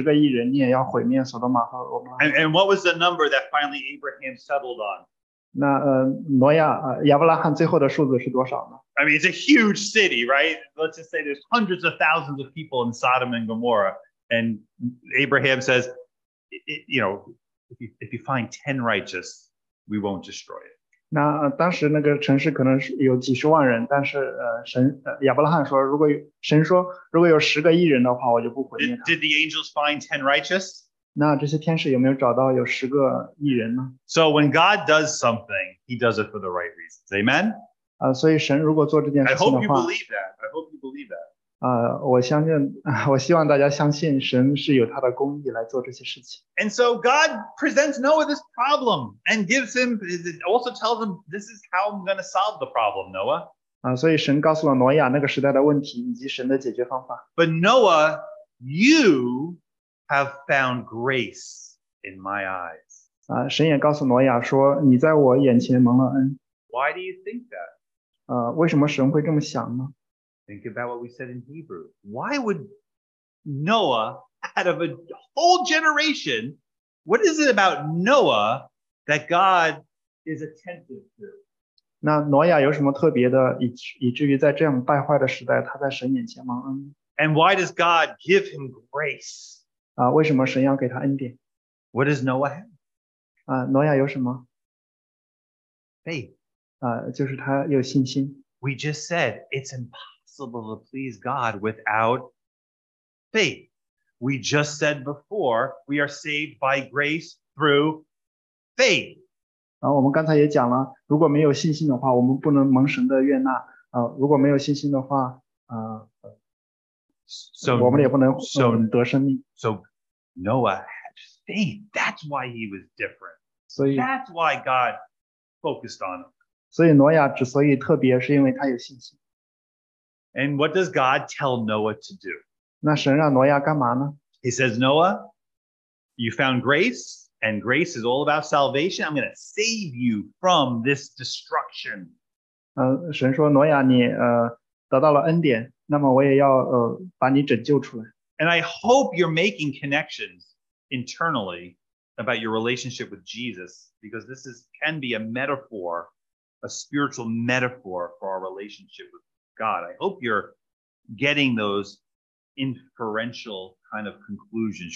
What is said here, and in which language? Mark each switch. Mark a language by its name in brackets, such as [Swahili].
[Chinese] 大家还记得亚伯拉罕当时跟神讨价说，如果这个城市里边有十个义人，你也要毁灭索多玛和俄摩拉。 [English] And what was the number that finally Abraham settled on? [Chinese] 那挪亚亚伯拉罕最后的数字是多少呢？ [English] I mean, it's a huge city, right? Let's just say there's hundreds of thousands of people in Sodom and Gomorrah. And Abraham says, you know, if you find 10 righteous, we won't destroy it. [Chinese] 那当时那个城市可能有几十万人,但是亚伯拉罕说,如果有十个义人的话,我就不毁灭他。 [English] Did the angels find 10 righteous? [Chinese] 那这些天使有没有找到有十个义人呢? [English] So when God does something, he does it for the right reasons. Amen? I hope you believe that. I hope you believe that. [Chinese] 我相信, [English] and so God presents Noah this problem and gives him, also tells him, this is how I'm going to solve the problem, Noah. But Noah, you have found grace in my eyes. [Chinese] 神也告诉挪亚说, [English] why do you think that? [Chinese] 为什么神会这么想呢? [English] Think about what we said in Hebrew. Why would Noah, out of a whole generation, what is it about Noah that God is attentive to? [Chinese] 那挪亚有什么特别的,以至于在这样败坏的时代,他在神眼前蒙恩? [English] And why does God give him grace? [Chinese] 为什么神要给他恩典? [English] What does Noah have? [Chinese] 挪亚有什么? [English] Faith. [Chinese] 就是他有信心。 [English] We just said it's impossible. impossible to please God without faith. We just said before, we are saved by grace through faith. [Chinese] 我们刚才也讲了, 如果没有信心的话, 我们不能蒙神的悦纳, 如果没有信心的话, [English] So Noah had faith. That's why he was different. That's why God focused on him. [Chinese] 所以挪亚之所以特别是因为他有信心。 [English] And what does God tell Noah to do? [Chinese] 那神让挪亚干嘛呢? [English] He says, Noah, you found grace, and grace is all about salvation. I'm going to save you from this destruction. [Chinese] 神说挪亚你得到了恩典。那么我也要把你拯救出来。 [English] And I hope you're making connections internally about your relationship with Jesus, because this is can be a metaphor, a spiritual metaphor for our relationship with God. I hope you're getting those inferential kind of conclusions.